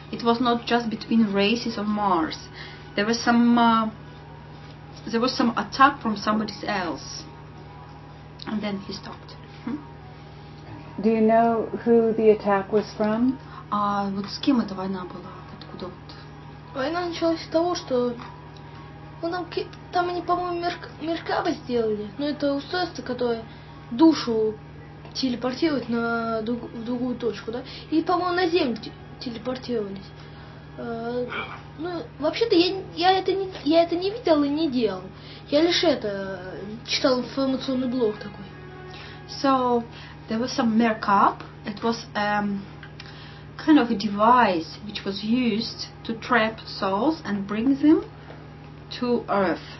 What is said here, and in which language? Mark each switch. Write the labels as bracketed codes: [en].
[en] It was not just between races of Mars. There was some attack from somebody else. And then he stopped. Do you know who the attack was from? [ru] Вот с кем эта война была? Откуда вот? Война началась с того, что там они, по-моему, Меркаба сделали. Ну, это устройство, которое душу телепортирует на в другую точку, да? И, по-моему, на Землю телепортировались. Ну, вообще-то я это не видел и не делал. Я лишь это читал информационный блог такой. [en] So there was some Merkab. It was kind of a device which was used to trap souls and bring them to Earth.